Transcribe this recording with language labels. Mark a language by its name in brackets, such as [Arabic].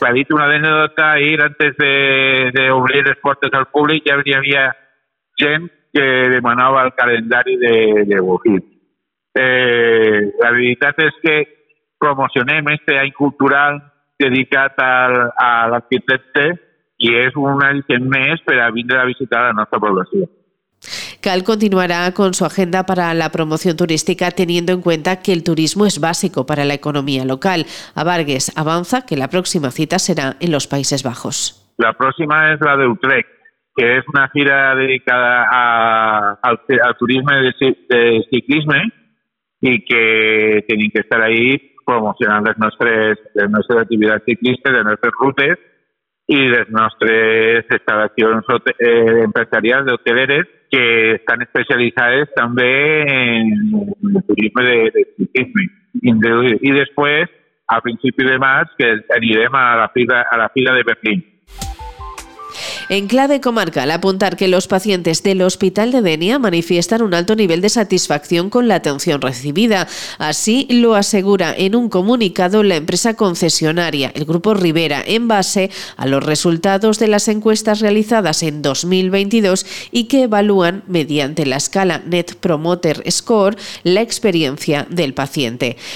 [Catalan] Ha dit una anècdota, ahir, antes d'obrir les portes al públic, ja hi havia gent que demanava el calendari de bofil. La veritat és que promocionem este any cultural dedicat a l'arquitecte i és un any més per a vindre a visitar la nostra població. [Spanish] Cal continuarà con su agenda para la promoción turística teniendo en cuenta que el turismo es básico para la economía local. A Vargas avanza que la próxima cita será en los Países Bajos. La próxima es la de Utrecht, que es una gira dedicada al turismo de ciclismo [Catalan] i que tenim que estar ahí promocionant les nostres activitats ciclistes, les nostres rutes i les nostres instal·lacions empresarials d'hoteleres que estan especialitzades també en el turisme de ciclisme. I després, a principi de març, que anirem a la fira de Berlín. [Spanish] En clave comarcal, apuntar que los pacientes del Hospital de Denia manifiestan un alto nivel de satisfacción con la atención recibida. Así lo asegura en un comunicado la empresa concesionaria, el Grupo Rivera, en base a los resultados de las encuestas realizadas en 2022 y que evalúan, mediante la escala Net Promoter Score, la experiencia del paciente.